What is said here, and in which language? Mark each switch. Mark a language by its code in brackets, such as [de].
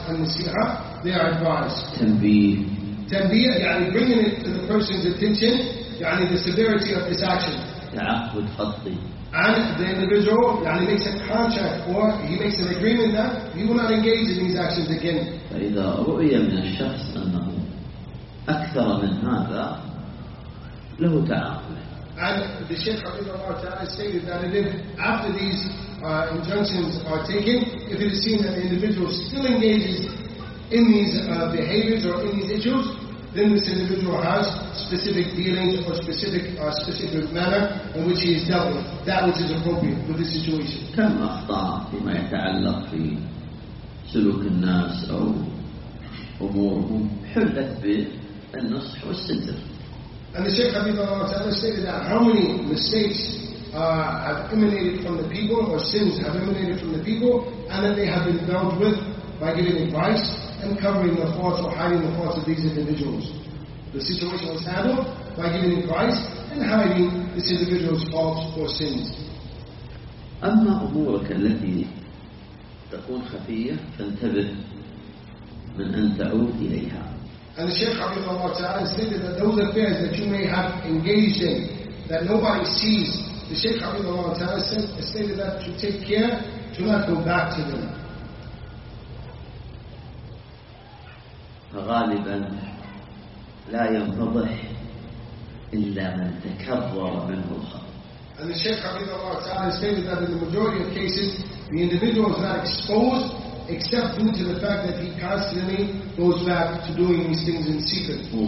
[en] النصيحة, they are advised. [ar] تنبيه, [en] يعني bringing it to the person's attention, يعني the severity of his action. [ar] تعهد خطي. [en] And the individual, يعني makes a contract or he makes an agreement that he will not engage in these actions again. [ar] فإذا رؤية من الشخص أنه أكثر من هذا له تعهد. [en] And the Shaykh Hafidhullah Ta'ala stated that if after these injunctions are taken, if it is seen that the individual still engages in these behaviors or in these issues, then this individual has specific dealings or specific specific manner in which he is dealt with that which is appropriate with the situation. [ar] كم أخطاء فيما يتعلق في سلوك الناس أو أمورهم حلت بالنصح والستر. [en] And the Shaykh Habibullah Ta'ala stated that how many mistakes have emanated from the people, or sins have emanated from the people, and that they have been dealt with by giving advice and covering the faults or hiding the faults of these individuals. The situation was handled by giving advice and hiding this individual's faults or sins. [ar] أما أمورك التي تكون خفية فانتبه من أن تعود إليها. [en] And the Shaykh Habibullah Ta'ala stated that those affairs that you may have engaged in, that nobody sees, the Shaykh Habibullah Ta'ala stated that to take care to not go back to them. [ar] غالباً لا ينفضح إلا من تكرر منه الخطأ. [en] And the Shaykh Habibullah Ta'ala stated that in the majority of cases, the individual is not exposed except due to the fact that he constantly goes back to doing these things in secret.